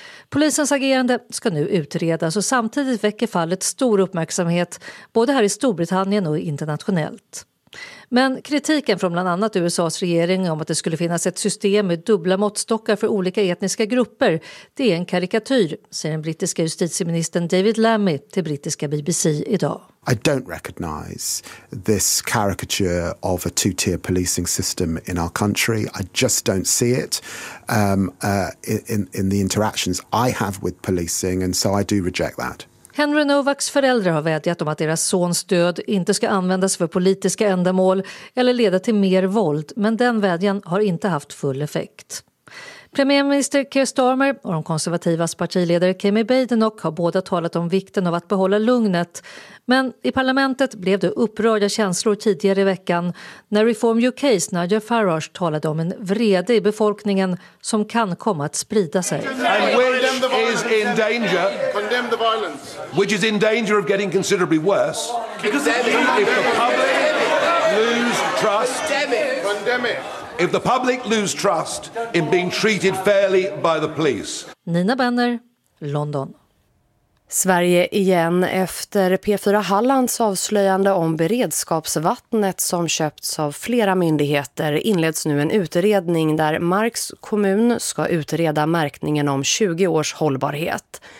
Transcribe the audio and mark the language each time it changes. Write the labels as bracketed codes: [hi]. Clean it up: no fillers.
[sv] Polisens agerande ska nu utredas och samtidigt väcker fallet stor uppmärksamhet både här i Storbritannien och internationellt. Men kritiken från bland annat USAs regering om att det skulle finnas ett system med dubbla måttstockar för olika etniska grupper, det är en karikatyr, säger den brittiska justitieministern David Lammy till brittiska BBC idag. [en] I don't recognize this caricature of a two-tier policing system in our country. I just don't see it in the interactions I have with policing, and so I do reject that. [sv] Henry Novaks föräldrar har vädjat om att deras sons död inte ska användas för politiska ändamål eller leda till mer våld, men den vädjan har inte haft full effekt. Premierminister Keir Starmer och de konservativas partiledare Kemi Badenoch har båda talat om vikten av att behålla lugnet, men i parlamentet blev det upprörda känslor tidigare i veckan när Reform UK:s Nigel Farage talade om en vrede i befolkningen som kan komma att sprida sig. [en] Is in danger. Condemn the violence. Which is in danger of getting considerably worse. Because if the public lose trust, condemn it. If the public lose trust in being treated fairly by the police. [sv] Nina Benner, London. Sverige igen efter P4 Hallands avslöjande om beredskapsvattnet som köpts av flera myndigheter inleds nu en utredning där Marks kommun ska utreda märkningen om 20 års hållbarhet.